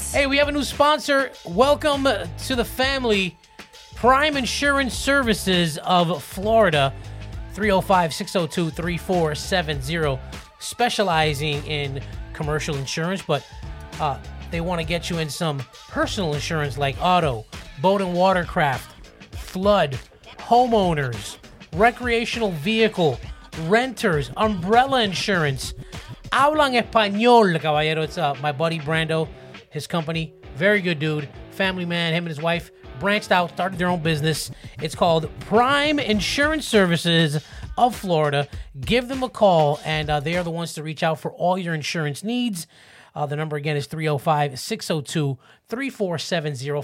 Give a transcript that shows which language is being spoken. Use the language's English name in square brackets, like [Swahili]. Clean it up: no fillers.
[English] Hey, we have a new sponsor. Welcome to the family, Prime Insurance Services of Florida, 305-602-3470, specializing in commercial insurance, but they want to get you in some personal insurance like auto, boat and watercraft, flood, homeowners, recreational vehicle, renters, umbrella insurance. [Spanish] Hablan español, caballero. [English] It's my buddy Brando, his company. Very good dude. Family man. Him and his wife branched out, started their own business. It's called Prime Insurance Services of Florida. Give them a call, and they are the ones to reach out for all your insurance needs. The number again is 305-602-3470.